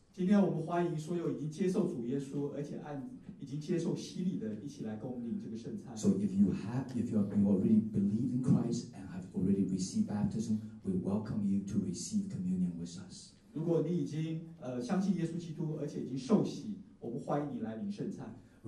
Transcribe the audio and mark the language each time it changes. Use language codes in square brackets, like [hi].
[zh] 今天我们欢迎所有已经接受主耶稣，而且已经接受洗礼的，一起来共领这个圣餐。 [en] So if you already believe in Christ and have already received baptism, we welcome you to receive communion with us. [zh] 如果你已经相信耶稣基督，而且已经受洗，我们欢迎你来领圣餐。